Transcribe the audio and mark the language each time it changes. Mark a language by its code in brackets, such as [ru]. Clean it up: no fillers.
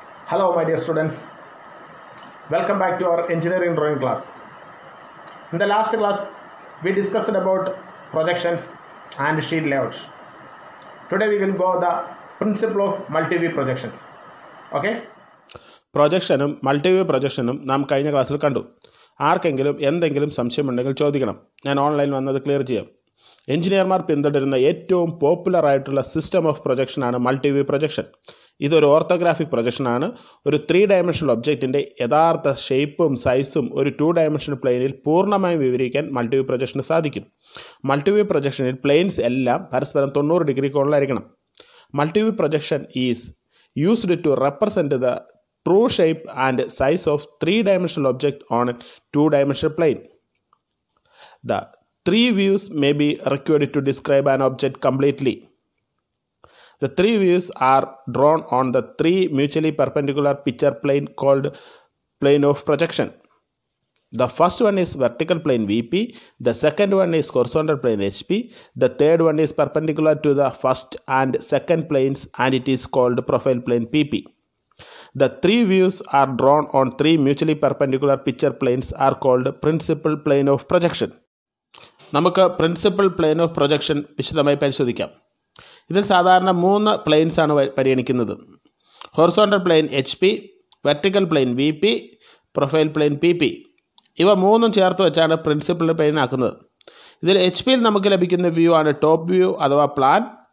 [en] Hello my dear students, welcome back to our engineering drawing class. In the last class we discussed about projections and sheet layouts. Today we will go the principle of multi-view projections. Okay, [ml] പ്രൊജക്ഷനും multi view പ്രൊജക്ഷനും നാം കഴിഞ്ഞ ക്ലാസ്സിൽ കണ്ടു. ആർക്കെങ്കിലും എന്തെങ്കിലും സംശയമുണ്ടെങ്കിൽ ചോദിക്കണം, ഞാൻ online വന്നത് ക്ലിയർ ചെയ്യാം. എഞ്ചിനീയർമാർ പിന്തുടരുന്ന ഏറ്റവും പോപ്പുലർ ആയിട്ടുള്ള system of പ്രൊജക്ഷനാണ് multi view projection. ഇതൊരു ഓർത്തോഗ്രാഫിക് പ്രൊജക്ഷനാണ്. ഒരു ത്രീ ഡയമെൻഷണൽ ഒബ്ജക്റ്റിൻ്റെ യഥാർത്ഥ ഷേപ്പും സൈസും ഒരു ടു ഡയമെൻഷണൽ പ്ലെയിനിൽ പൂർണ്ണമായും വിവരിക്കാൻ മൾട്ടി വ്യൂ പ്രൊജക്ഷന് സാധിക്കും. മൾട്ടി വ്യൂ പ്രൊജക്ഷനിൽ പ്ലെയിൻസ് എല്ലാം പരസ്പരം 90 degree കോണിലായിരിക്കണം. [en] Multi view projection is used to represent the true shape and size of three dimensional object on two dimensional plane. The three views may be required to describe an object completely. The three views are drawn on the three mutually perpendicular picture plane called plane of projection. The first one is vertical plane VP, the second one is horizontal plane HP, the third one is perpendicular to the first and second planes and it is called profile plane PP. The three views are drawn on three mutually perpendicular picture planes are called principal plane of projection. [ml] നമുക്ക് principal plain of projection വിശദമായി പരിശോധിക്കാം. ഇതിൽ സാധാരണ മൂന്ന് planes ആണ് പരിഗണിക്കുന്നത്: horizontal plane HP, vertical plane VP, profile plane PP. ഇവ മൂന്നും ചേർത്ത് വെച്ചാണ് പ്രിൻസിപ്പൽ പ്ലെയിൻ ആക്കുന്നത്. ഇതിൽ HP യിൽ നമുക്ക് ലഭിക്കുന്ന വ്യൂ ആണ് ടോപ്പ് വ്യൂ അഥവാ പ്ലാൻ.